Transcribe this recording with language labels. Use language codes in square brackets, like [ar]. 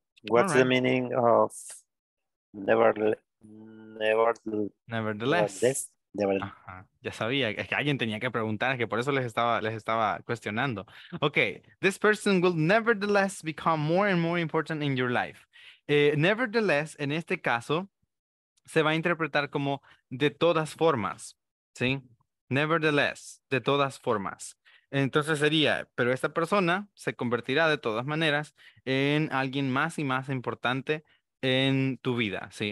[en] What's the meaning of nevertheless? [es] Ajá, ya sabía, es que alguien tenía que preguntar, que por eso les estaba cuestionando. [en] Ok, this person will nevertheless become more and more important in your life. [es] Nevertheless, en este caso, se va a interpretar como de todas formas, ¿sí? Nevertheless, de todas formas. Entonces sería, pero esta persona se convertirá de todas maneras en alguien más y más importante en tu vida, ¿sí?